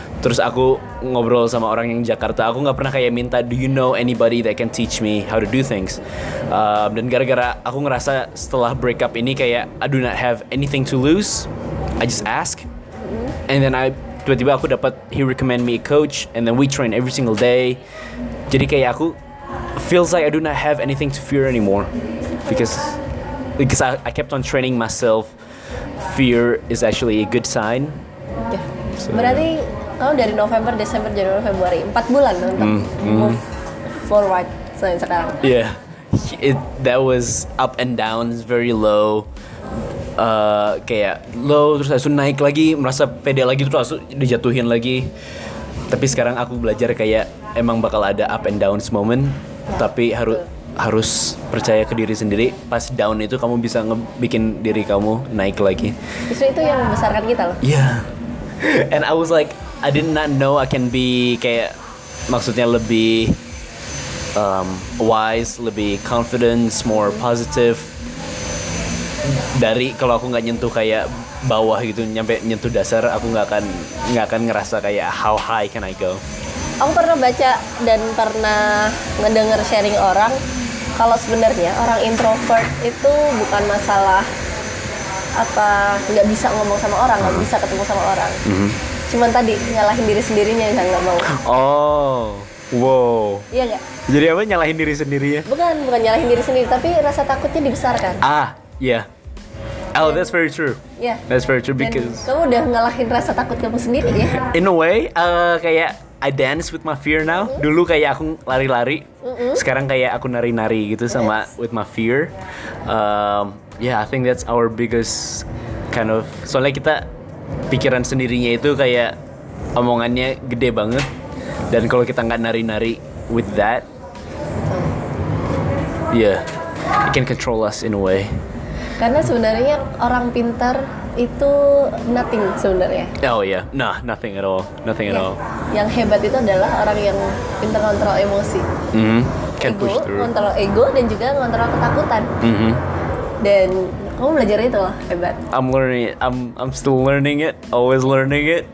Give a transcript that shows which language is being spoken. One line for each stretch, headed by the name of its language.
Indonesian: Terus aku ngobrol sama orang yang Jakarta. Aku gak pernah kayak minta,
English: do you know anybody that can teach me how to do things?
Indonesian: Dan gara-gara aku ngerasa setelah breakup ini kayak
English: I do not have anything to lose, I just ask. And then
Indonesian: tiba-tiba aku dapat,
English: he recommend me a coach. And then we train every single day.
Indonesian: Jadi kayak aku
English: feels like I do not have anything to fear anymore, because I kept on training myself. Fear is actually a good sign. Yeah.
Indonesian: So, berarti kamu dari November, Desember, Januari, Februari 4 bulan untuk
English: move forward
Indonesian: sekarang.
English: Yeah, that was up and down, very low.
Indonesian: Kayak low terus langsung naik lagi, merasa pede lagi terus langsung dijatuhin lagi. Tapi sekarang aku belajar kayak emang bakal ada
English: up and downs moment.
Indonesian: Tapi harus harus percaya ke diri sendiri. Pas down itu kamu bisa bikin diri kamu naik lagi. Justru itu yang membesarkan kita loh. Iya.
English: Yeah. And I was like, I did not know I can be kayak,
Indonesian: maksudnya lebih wise, lebih confidence,
English: more positive.
Indonesian: Dari kalau aku gak nyentuh kayak bawah gitu, nyampe nyentuh dasar, aku gak akan ngerasa kayak
English: how high can I go.
Indonesian: Aku pernah baca dan pernah ngedenger sharing orang, kalau sebenarnya orang introvert itu bukan masalah apa nggak bisa ngomong sama orang, nggak bisa ketemu sama orang. Mm-hmm. Cuman tadi nyalahin diri sendirinya yang nggak mau.
English: Oh, wow.
Indonesian: Iya nggak? Jadi apa nyalahin diri sendirinya? Bukan nyalahin diri sendiri, tapi rasa takutnya dibesarkan.
English: Ah, iya. Yeah. Oh, dan, that's very true. Yeah. That's very true because
Indonesian: dan kamu udah ngalahin rasa takut kamu sendiri ya.
English: In a way, kayak I dance with my fear now.
Indonesian: Mm-hmm. Dulu kayak aku lari-lari. Mm-hmm. Sekarang kayak aku nari-nari gitu sama yes.
English: With my fear. Yeah, I think that's our biggest kind of.
Indonesian: Soalnya kita pikiran sendirinya itu kayak omongannya gede banget. Dan kalau kita nggak nari-nari
English: with that, yeah, it can control us in a way.
Indonesian: Karena sebenarnya orang pintar itu nothing sebenarnya. Oh ya, yeah.
English: Nah, nothing at all, nothing yeah. At all.
Indonesian: Yang hebat itu adalah orang yang pintar kontrol emosi, mm-hmm.
English: Can ego, push through.
Indonesian: Kontrol ego dan juga kontrol ketakutan. Mm-hmm. Dan kamu belajar itu loh hebat.
English: I'm learning, it. I'm still learning it, always learning it.